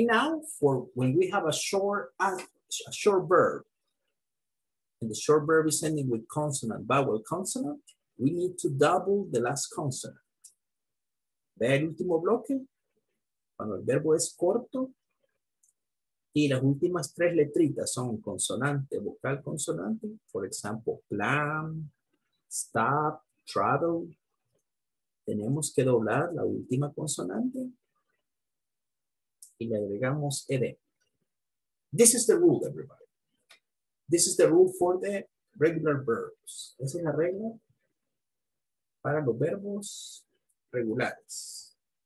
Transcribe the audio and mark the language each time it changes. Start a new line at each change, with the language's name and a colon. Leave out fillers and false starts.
English: And now, for when we have a short verb, and the short verb is ending with consonant, vowel consonant, we need to double the last consonant.
Spanish: Ve el último bloque, cuando el verbo es corto y las últimas tres letritas son consonante, vocal consonante.
English: For example, plan, stop, travel.
Spanish: Tenemos que doblar la última consonante y le agregamos ed.
English: This is the rule, everybody. This is the rule for the regular verbs.
Spanish: Esa es la regla para los verbos regulares.